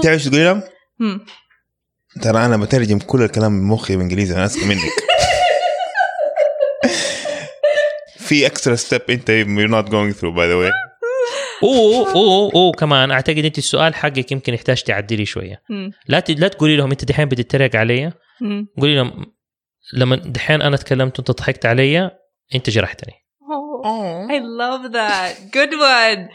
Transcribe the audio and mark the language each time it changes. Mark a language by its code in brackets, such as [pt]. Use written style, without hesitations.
[ar] تعرف شو تقول لهم؟ ترى انا بترجم كل الكلام بمخي بالانجليزي، انا اسمع منك. في [en] extra step [ar] انت [en] you're not going through by the way. [ar] أو كمان أعتقد أنت السؤال حقك يمكن يحتاج تعدلي شوية. لا تقولي لهم أنت دحين بتترق علي. قولي لهم لما دحين أنا تكلمت وأنت ضحكت علي أنت جرحتني. [en] I love that. Good one.